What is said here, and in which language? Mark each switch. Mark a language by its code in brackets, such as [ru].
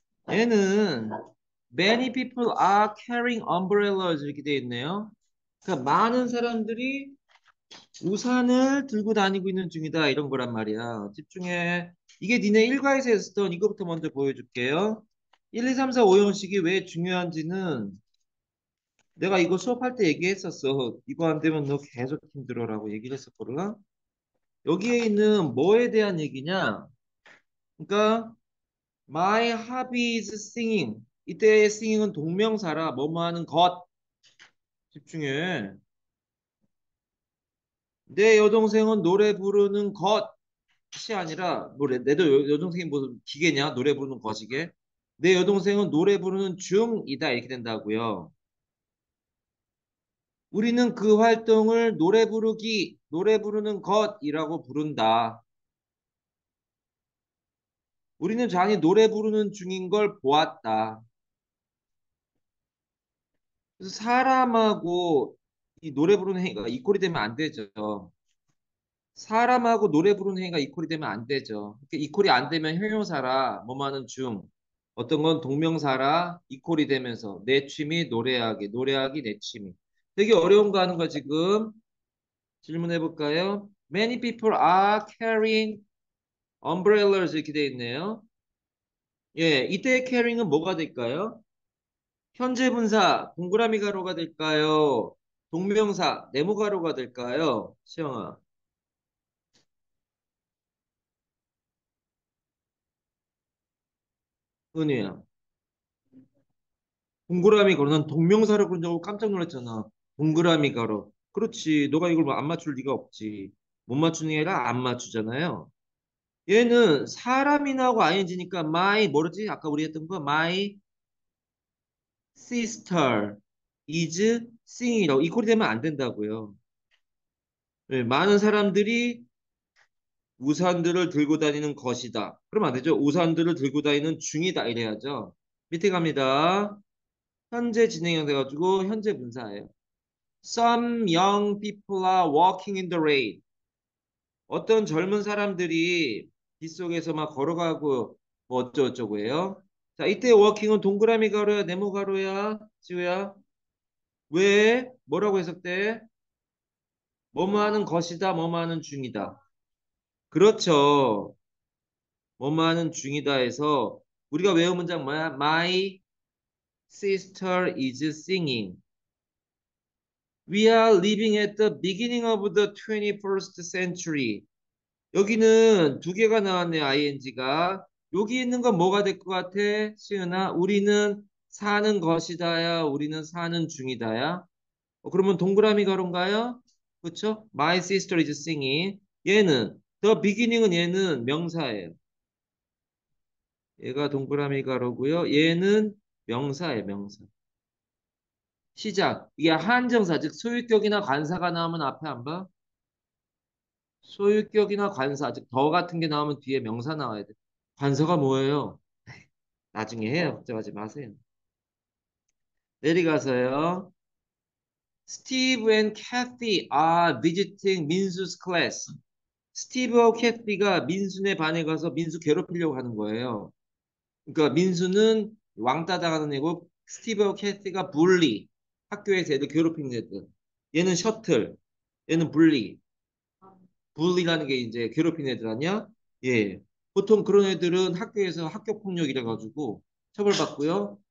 [ko] 얘는 [en] many people are carrying umbrellas [ko] 이렇게 되어 있네요. 그러니까 많은 사람들이 우산을 들고 다니고 있는 중이다 이런 거란 말이야. 집중해. 이게 니네 일과에서 했었던 이거부터 먼저 보여줄게요. 1, 2, 3, 4, 5형식이 왜 중요한지는 내가 이거 수업할 때 얘기했었어. 이거 안 되면 너 계속 힘들어라고 얘기를 했었거든. 여기에 있는 뭐에 대한 얘기냐? 그러니까 [en] my hobby is singing. [ko] 이때의 singing은 동명사라 뭐뭐 하는 것. 집중해. 내 여동생은 노래 부르는 것이 아니라 뭐래? 내도 여동생이 무슨 기계냐? 노래 부르는 것이게? 내 여동생은 노래 부르는 중이다 이렇게 된다고요. 우리는 그 활동을 노래 부르기, 노래 부르는 것이라고 부른다. 우리는 장이 노래 부르는 중인 걸 보았다. 그래서 사람하고 이 노래 부르는 행위가 이퀄이 되면 안 되죠. 사람하고 노래 부르는 행위가 이퀄이 되면 안 되죠. 이퀄이 안 되면 형용사라 뭐뭐는 중. 어떤 건 동명사라 이퀄이 되면서 내 취미 노래하기, 노래하기 내 취미. 되게 어려운 거 하는 거 지금 질문해 볼까요? [en] Many people are carrying umbrellas [ko] 이렇게 돼 있네요. 예, 이때 carrying은 뭐가 될까요? 현재 분사 동그라미 가로가 될까요? 동명사 네모 가로가 될까요? 시영아. 은우야, 동그라미 가로, 난 동명사를 그런 줄 알고 깜짝 놀랐잖아. 동그라미 가로. 그렇지, 너가 이걸 안 맞출 리가 없지. 못 맞추는 게 아니라 안 맞추잖아요. 얘는 사람이라고 ing니까 my 뭐지? 아까 우리 했던 거 [en] my sister is singing [ko] 이라고 이퀄이 되면 안 된다고요. 네, 많은 사람들이 우산들을 들고 다니는 것이다. 그러면 안 되죠. 우산들을 들고 다니는 중이다 이래야죠. 밑에 갑니다. 현재 진행형 돼가지고 현재 분사예요. [en] Some young people are walking in the rain. [ko] 어떤 젊은 사람들이 빗 속에서 막 걸어가고 뭐 어쩌고저쩌고 해요. 자, 이때 walking은 동그라미 가로야, 네모 가로야, 지우야? 왜? 뭐라고 해석돼? 뭐뭐 하는 것이다, 뭐뭐 하는 중이다. 그렇죠. 뭐뭐 하는 중이다 해서 우리가 외운 문장 뭐야? [en] My sister is singing. We are living at the beginning of the 21st century. [ko] 여기는 두 개가 나왔네요, ing가. 여기 있는 건 뭐가 될것 같아, 시은아? 우리는 사는 것이다야, 우리는 사는 중이다야. 그러면 동그라미 가로인가요? 그렇죠? [en] My sister is singing. [ko] 얘는 The beginning은 얘는 명사예요. 얘가 동그라미 가로고요. 얘는 명사예요, 명사. 시작. 이게 한정사, 즉 소유격이나 관사가 나오면 앞에 안 봐? 소유격이나 관사, 즉더 같은 게 나오면 뒤에 명사 나와야 돼. 관사가 뭐예요? 나중에 해요. 걱정하지 마세요. 내리가서요. [en] Steve and Kathy are visiting Min's class. [ko] 스티브와 캐티가 민수네 반에 가서 민수 괴롭히려고 하는 거예요. 그러니까 민수는 왕따 당하는 애고 스티브와 캐티가 불리. 학교에서 애들 괴롭히는 애들. 얘는 셔틀. 얘는 불리. 불리라는 게 이제 괴롭히는 애들 아니야? 예. 보통 그런 애들은 학교에서 학교폭력이라 가지고 처벌받고요.